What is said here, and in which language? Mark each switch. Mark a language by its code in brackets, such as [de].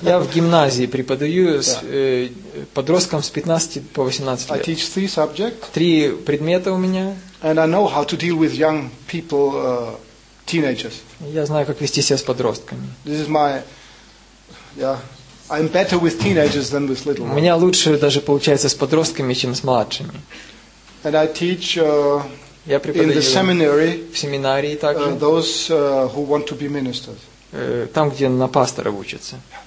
[ru] Я в гимназии преподаю с подросткам с 15 по 18 лет. [en] I teach three subjects. [ru] Три предмета у меня. [en] And I know how to deal with young people, teenagers. [ru] Я знаю, как вести себя с подростками. [en] This is my, I'm better with teenagers than with little ones. [ru] У меня лучше даже получается с подростками, чем с младшими. [en] And I teach in the seminary, [ru] в семинарии также, [en] those who want to be ministers. [ru] Там, где на пастора учатся.